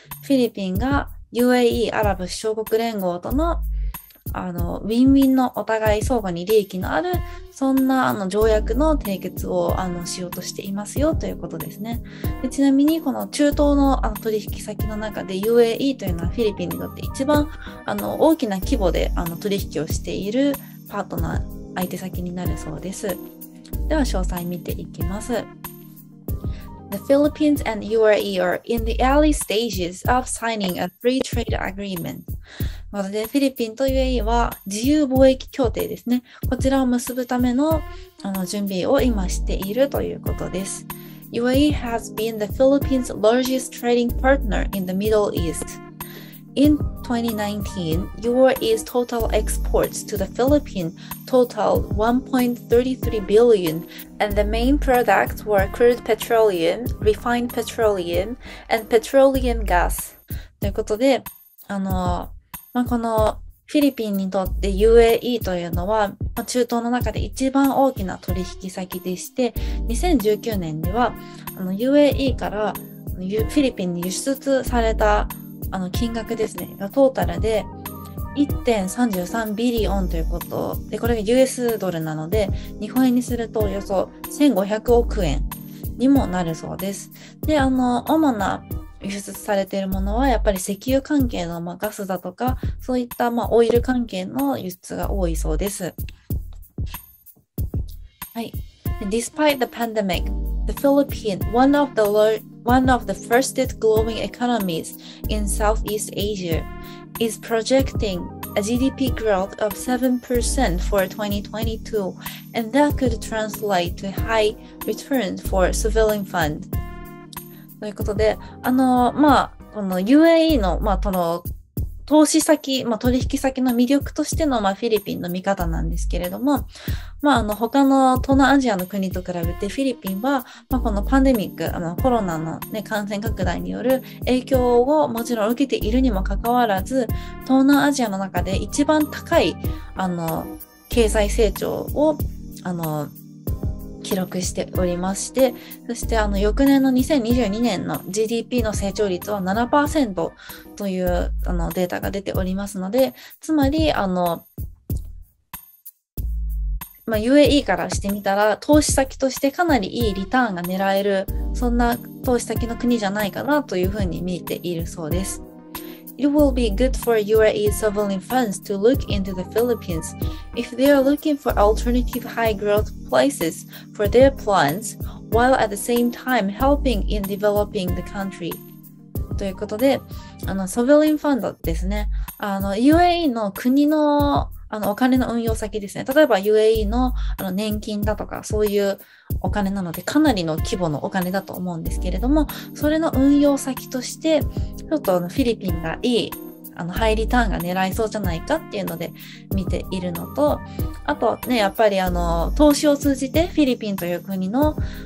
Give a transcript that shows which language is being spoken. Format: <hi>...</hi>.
<ja>フィリピンが UAE アラブ首長国連合とのウィンウィンのお互い相互に利益のある、そんな条約の締結をしようとしていますよということですね。でちなみにこの中東の取引先の中で UAE というのはフィリピンにとって一番大きな規模で取引をしているパートナー相手先になるそうです。では詳細見ていきます。</ja> <en>The Philippines and UAE are in the early stages of signing a free trade agreement.</en> <ja>まずでフィリピンと UAE は自由貿易協定ですね。こちらを結ぶため の準備を今しているということです。</ja> <en>UAE has been the Philippines' largest trading partner in the Middle East. In 2019, UAE's total exports to the Philippines totaled $1.33 billion, and the main products were crude petroleum, refined petroleum, and petroleum gas.</en> <ja>ということで、まあ、このフィリピンにとって UAE というのは、まあ、中東の中で一番大きな取引先でして、2019年には UAE からフィリピンに輸出された金額ですね、トータルで 1.33 ビリオンということで、これが US ドルなので日本円にするとおよそ1500億円にもなるそうです。で主な輸出されているものはやっぱり石油関係の、まあ、ガスだとか、そういった、まあ、オイル関係の輸出が多いそうです。</ja> <en>はい、 Despite the pandemic, the Philippines, one of the one of the first growing economies in Southeast Asia, is projecting a GDP growth of 7% for 2022, and that could translate to high returns for civilian fund.</en> <ja>ということで、この UAE の、この投資先、取引先の魅力としての、フィリピンの見方なんですけれども、他の東南アジアの国と比べてフィリピンは、このパンデミック、コロナの、ね、感染拡大による影響をもちろん受けているにもかかわらず、東南アジアの中で一番高い、経済成長を、記録しておりまして、そして翌年の2022年の GDP の成長率は 7% というデータが出ておりますので、つまり UAE からしてみたら投資先としてかなりいいリターンが狙える、そんな投資先の国じゃないかなというふうに見ているそうです。</ja> <en>It will be good for UAE sovereign funds to look into the Philippines if they are looking for alternative high growth places for their plans, while at the same time helping in developing the country.</en> <ja>ということで、sovereign fund ですね。 UAE の国の、お金の運用先ですね。例えば UAE の、年金だとかそういうお金なので、かなりの規模のお金だと思うんですけれども、それの運用先としてちょっとフィリピンがいいハイリターンが狙いそうじゃないかっていうので見ているのと、あとね、やっぱり投資を通じてフィリピンという国の</ja>